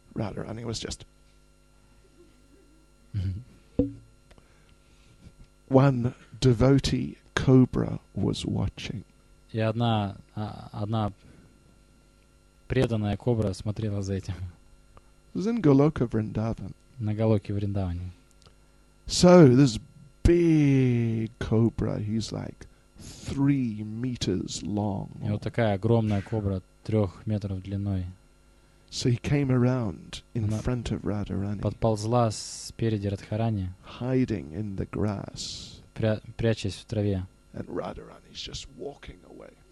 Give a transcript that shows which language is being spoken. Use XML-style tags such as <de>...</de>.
<en>Radharani was just one devotee cobra was watching.</en> <ru>И одна преданная кобра смотрела за этим.</ru> <en>In Goloka Vrindavan.</en> <ru>На Голоке Вриндаване.</ru> <en>So this big cobra, he's like 3 meters long.</en> <ru>И вот такая огромная кобра 3 метров длиной.</ru> <en>So he came around in front of Radharani.</en> <ru>Подползла спереди Радхарани.</ru> <en>Hiding in the grass.</en> <ru>Прячась в траве.</ru> <en>And Radharani is just walking away.</en>